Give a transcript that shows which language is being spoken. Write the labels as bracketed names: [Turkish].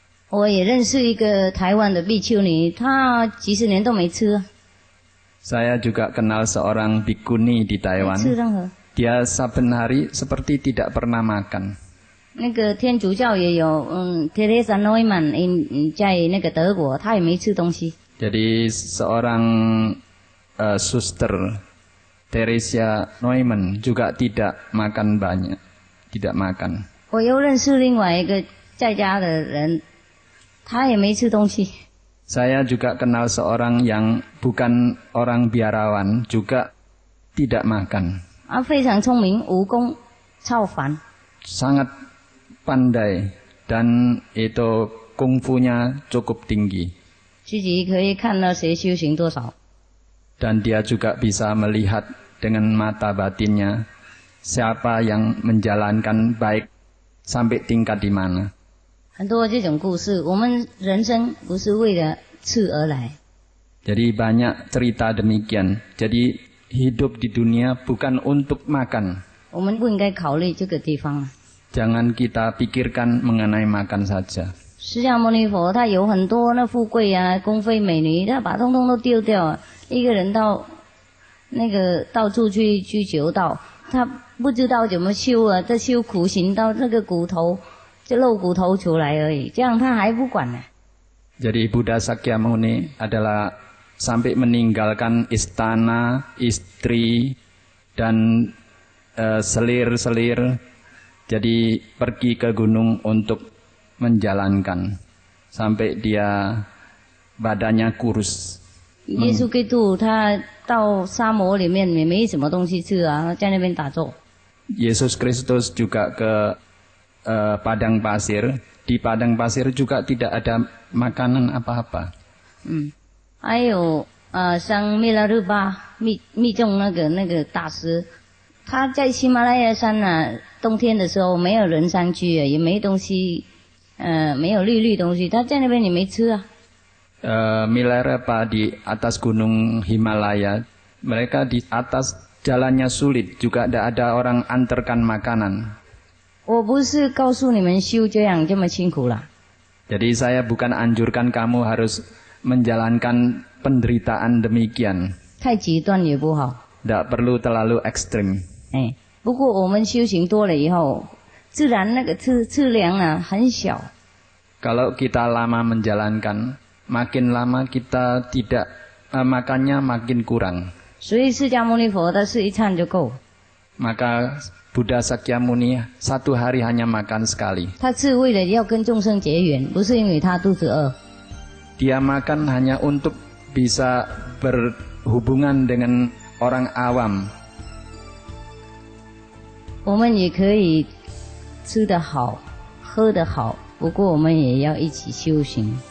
[Chinese] 我也认识一个台湾的比丘尼她几十年都没吃 [Indonesian] saya juga kenal seorang bikuni di Taiwan [Chinese] 吃任何 [Indonesian] dia saben hari seperti tidak pernah makan [Chinese] 那个天主教也有Teresa Neumann 在那个德国她也没吃东西 [Indonesian] jadi seorang suster Teresa Neumann juga tidak makan banyak tidak makan [Chinese] 我又认识另外一个在家的人他也没吃东西 [Indonesian] saya juga kenal seorang yang bukan orang biarawan juga tidak makan [Chinese] 啊非常聪明武功超凡 [Indonesian] sangat pandai dan itu kungfunya cukup tinggi [Chinese] 自己可以看到谁修行多少 [Indonesian] dan dia juga bisa melihat dengan mata batinnya siapa yang menjalankan baik sampai tingkat di mana [Chinese] 很多这种故事我们人生不是为了吃而来 [Indonesian] jadi banyak cerita demikian jadi hidup di dunia bukan untuk makan [Chinese] 我们不应该考虑这个地方 [Indonesian] jangan kita pikirkan mengenai makan saja [Chinese] 释迦牟尼佛他有很多那富贵啊宫妃美女他把通通都丢掉一个人到那个到处去求道他不知道怎么修啊他修苦行到那个骨头就露骨头出来而已这样他还不管呢 [Indonesian] jadi Buddha Sakyamuni adalah sampai meninggalkan istana istri dan selir-selir jadi pergi ke gunung untuk menjalankan sampai dia badannya kurus [Chinese] Yesus Kristus 他到沙漠里面也没什么东西吃啊在那边打坐 [Indonesian] Yesus Kristus juga kepadang pasir di padang pasir juga tidak ada makanan apa-apa [Chinese] 还有像米拉日巴密宗那个大师他在喜马拉雅山啊冬天的时候没有人上去也没东西没有绿东西他在那边也没吃啊 [Indonesian] 米拉日巴 di atas gunung Himalaya mereka di atas jalannya sulit juga tidak ada orang antarkan makanan We bukan beritahu kamu berusaha seperti ini, sangat susah. Jadi saya bukan anjurkan kamu harus menjalankan penderitaan demikian. Terlalu ekstrim. Tidak perlu terlalu ekstrim. Tapi kalau kita berusaha lebih banyak, maka kecilnya sangat kecil. Kalau kita lama menjalankan, makin lama kita tidak makannya makin kurang. [Chinese] 所以释迦牟尼佛他是一餐就够。 [Indonesian] Maka Buddha Sakyamuni satu hari hanya makan sekali. [Chinese] 他是为了要跟众生结缘，不是因为他肚子饿。 [Indonesian] Dia makan hanya untuk bisa berhubungan dengan orang awam. [Chinese] 我们也可以吃得好，喝得好，不过我们也要一起修行。